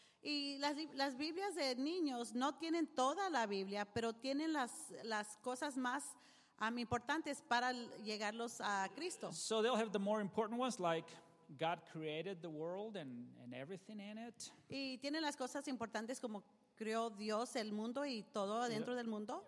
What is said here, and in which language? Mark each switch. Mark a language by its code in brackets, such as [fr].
[es] Y las Biblias de niños no tienen toda la Biblia, pero tienen las cosas más importantes para llegarlos a Cristo. [en] So they'll have the more important ones like God created the world and everything in it. [es] Y tienen las cosas importantes como creó Dios el mundo y todo adentro del mundo.